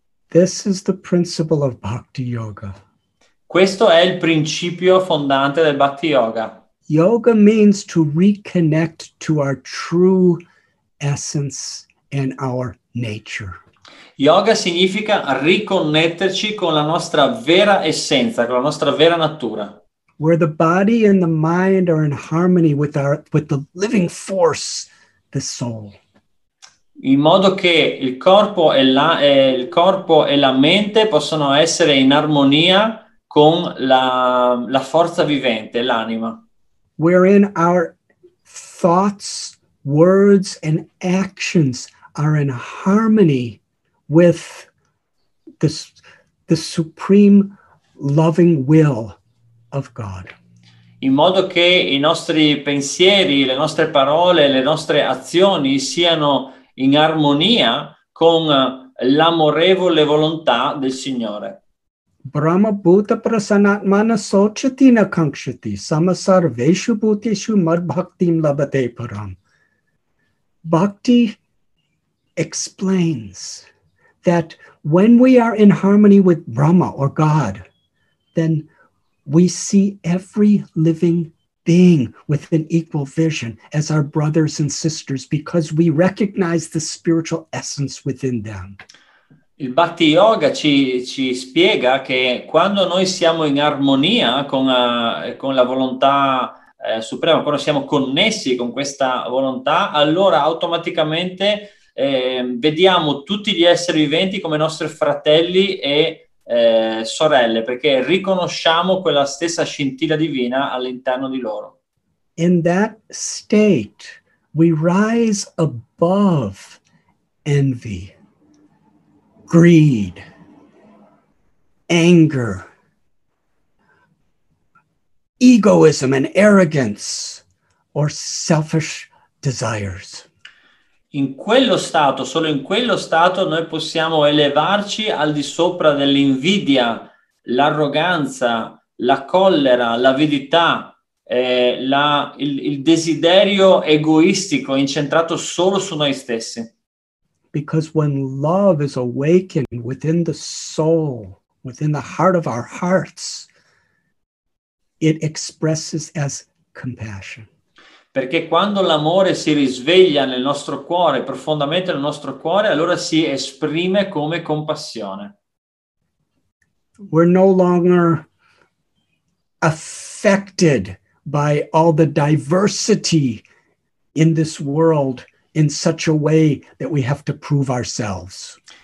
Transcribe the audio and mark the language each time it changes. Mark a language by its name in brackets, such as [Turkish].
[English] This is the principle of Bhakti Yoga. [Italian] Questo è il principio fondante del Bhakti Yoga. [English] Yoga means to reconnect to our true essence and our nature. [Italian] Yoga significa riconnetterci con la nostra vera essenza, con la nostra vera natura. [English] Where the body and the mind are in harmony with the living force, the soul. [Italian] In modo che il corpo e la mente possono essere in armonia con la forza vivente, l'anima. [English] Wherein our thoughts, words and actions are in harmony with the supreme loving will of God. [Italian] In modo che i nostri pensieri, le nostre parole, le nostre azioni siano in armonia con l'amorevole volontà del Signore. [Sanskrit] Brahma bhuta prasanatmana sochati na kankshati samasarveshu bhuteshu mad bhaktim labhate param. [English] Bhakti explains that when we are in harmony with Brahma or God, then we see every living being with an equal vision as our brothers and sisters because we recognize the spiritual essence within them. [Italian] Il Bhakti Yoga ci spiega che quando noi siamo in armonia con la volontà suprema, quando siamo connessi con questa volontà, allora automaticamente vediamo tutti gli esseri viventi come nostri fratelli e sorelle, perché riconosciamo quella stessa scintilla divina all'interno di loro. [English] In that state we rise above envy, greed, anger, egoism and arrogance or selfish desires. [Italian] In quello stato, solo in quello stato, noi possiamo elevarci al di sopra dell'invidia, l'arroganza, la collera, l'avidità, il desiderio egoistico incentrato solo su noi stessi. [English] Because when love is awakened within the soul, within the heart of our hearts, it expresses as compassion. [Italian] Perché quando l'amore si risveglia nel nostro cuore, profondamente nel nostro cuore, allora si esprime come compassione. [English] We're no longer affected by all the diversity in this world in such a way that we have to prove ourselves.